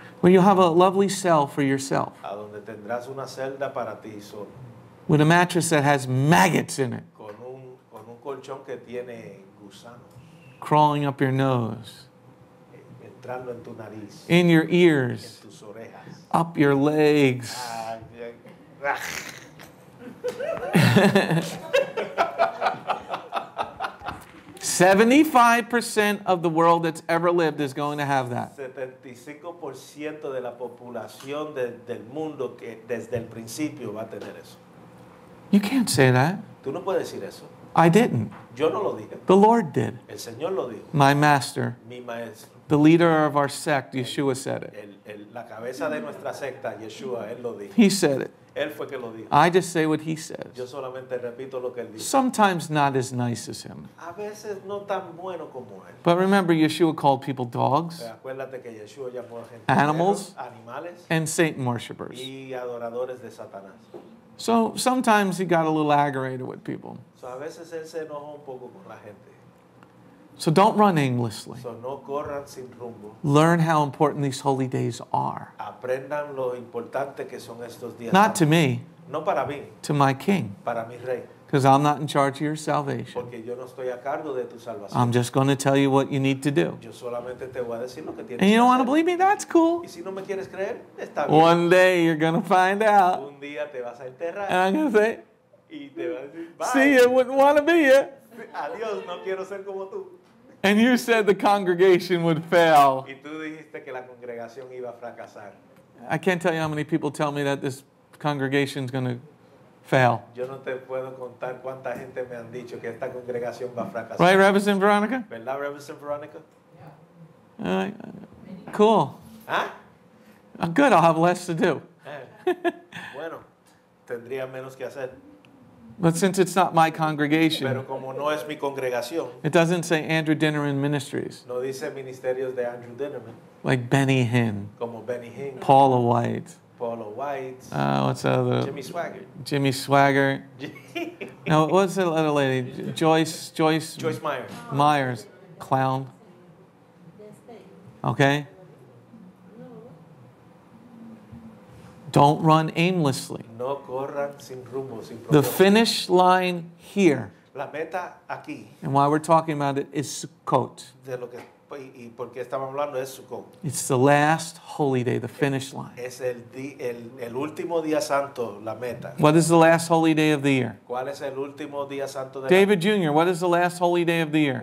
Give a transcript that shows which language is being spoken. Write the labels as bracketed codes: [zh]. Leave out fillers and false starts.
[en] Where you'll have a lovely cell for yourself. [es] A donde tendrás una celda para ti solo. [en] with a mattress that has maggots in it. [es] Con un colchón que tiene gusanos. [en] Crawling up your nose. [es] Entrando en tu nariz. [en] In your ears. [es] En tus orejas. [en] Up your legs. Ah, 75% of the world that's ever lived is going to have that. [es] 75% de la población del mundo que desde el principio va a tener eso. [en] You can't say that. [es] Tú no puedes decir eso. [en] I didn't. [es] Yo no lo dije. [en] The Lord did. [es] El Señor lo dijo. [en] My master. [es] Mi maestro. [en] The leader of our sect, Yeshua said it. [es] La cabeza de nuestra secta, Yeshua, él lo dijo. [en] He said it. [es] Él fue que lo dijo. [en] I just say what he says. [es] Yo solamente repito lo que él dijo. [en] Sometimes not as nice as him. [es] A veces no tan bueno como él. [en] But remember, Yeshua called people dogs, [es] acuérdate que Yeshua llamó a gente [en] animals, [es] animales, [en] and Satan worshippers. [es] Y adoradores de Satanás. [en] So sometimes he got a little aggravated with people. [es] So a veces él se enojó un poco con la gente. [en] So don't run aimlessly. [es] So no corran sin rumbo. [en] Learn how important these holy days are. [es] Aprendan lo importante que son estos días. [en] Not to me. [es] No para mí. [en] To my king. [es] Para mi rey. [en] Because I'm not in charge of your salvation. [es] Porque yo no estoy a cargo de tu salvación. [en] I'm just going to tell you what you need to do. [es] Yo solamente te voy a decir lo que tienes. [en] And you don't want to believe me? That's cool. [es] Y si no me quieres creer, está bien. [en] One day you're going to find out. [es] Un día te vas a enterrar. [en] And I'm going to say, [es] y te vas a decir, [en] bye. See, you wouldn't want to be you. [es] Adiós, no quiero ser como tú. [en] And you said the congregation would fail. [es] Y tú dijiste que la congregación iba a fracasar. [en] I can't tell you how many people tell me that this congregation is going to fail. [es] Yo no te puedo contar cuánta gente me han dicho que esta congregación va a fracasar. [en] Right, Reverend Veronica? [es] ¿Verdad, Reverend Veronica? [en] Yeah. Cool. ¿Ah? Good, I'll have less to do. [es] Bueno, tendría menos que hacer. [en] But since it's not my congregation, [es] pero como no es mi congregación, [en] it doesn't say Andrew Dinnerman Ministries. [es] No dice ministerios de Andrew Dinnerman. [en] Like Benny Hinn. [es] Como Benny Hinn. [en] Paula White. [es] Paula White. [en] What's the other? Jimmy Swagger. Jimmy Swagger. No, what's the other lady? Joyce. Joyce Myers. Myers. Clown. Okay. Don't run aimlessly. [es] No corran sin rumbo, sin problema. [en] The finish line here, [es] la meta aquí, [en] and why we're talking about it, is Sukkot. [es] De lo que, y por qué estamos hablando es Sukkot. [en] It's the last holy day, the finish line. [es] Es el último día santo, la meta. [en] What is the last holy day of the year? [es] ¿Cuál es el último día santo del [en] David [es] año? [en] Jr., what is the last holy day of the year?